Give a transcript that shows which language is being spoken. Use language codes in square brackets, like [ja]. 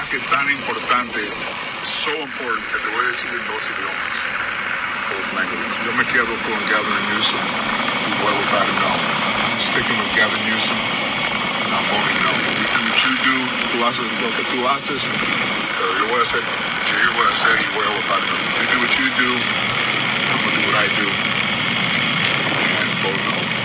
[es] Tan importante, [en] so important, [es] que te voy a decir en dos idiomas. [en] Both languages. [es] Yo me quedo con Gavin Newsom y voy a votar no. [en] I'm sticking with Gavin Newsom and I'm voting no. You do what you do, [es] tú haces lo que tú haces, pero yo voy a hacer, yo [en] hear what I say [es] y voy a votar no. [en] You do what you do, I'm going to do what I do and vote no.